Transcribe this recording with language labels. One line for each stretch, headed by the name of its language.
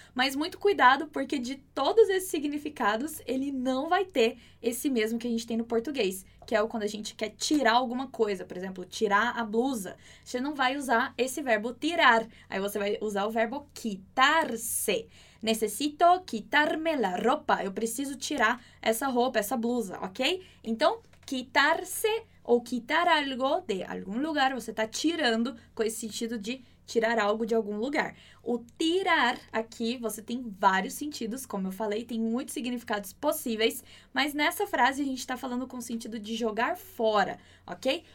Portuguese: Mas muito cuidado, porque de todos esses significados, ele não vai ter esse mesmo que a gente tem no português, que é o quando a gente quer tirar alguma coisa. Por exemplo, tirar a blusa. Você não vai usar esse verbo tirar. Aí você vai usar o verbo quitarse.
Spanish: Necesito quitarme la ropa.
Portuguese: Eu preciso tirar essa roupa, essa blusa, ok? Então, quitarse ou quitar algo de algum lugar, você está tirando com esse sentido de tirar algo de algum lugar. O tirar aqui, você tem vários sentidos, como eu falei, tem muitos significados possíveis, mas nessa frase a gente está falando com o sentido de jogar fora, ok?